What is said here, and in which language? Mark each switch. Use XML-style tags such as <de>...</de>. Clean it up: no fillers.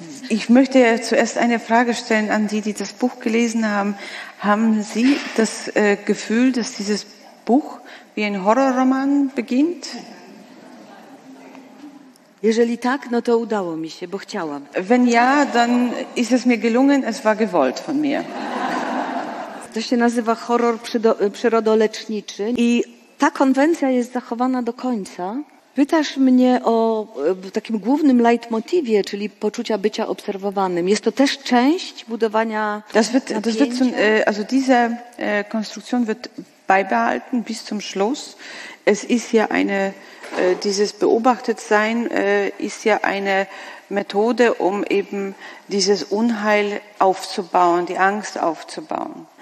<de>Ich möchte ja zuerst eine Frage stellen an die, die das Buch gelesen haben. Haben Sie das Gefühl, dass dieses Buch wie ein Horrorroman beginnt?</de> <pl>Jeżeli tak, no to udało mi się, bo chciałam.</pl> <de>Wenn ja, dann ist es mir gelungen, es war gewollt von mir.</de> <pl>To się nazywa horror przyrodoleczniczy i ta konwencja jest zachowana do końca. Pytasz mnie o takim głównym leitmotivie, czyli poczucia bycia obserwowanym. Jest to też część budowania napięcia.</pl> <de>Das wird zum, also diese Konstruktion wird beibehalten bis zum Schluss. Es ist ja eine, dieses Beobachtetsein ist ja eine Methode, um eben dieses Unheil aufzubauen, die Angst aufzubauen.</de>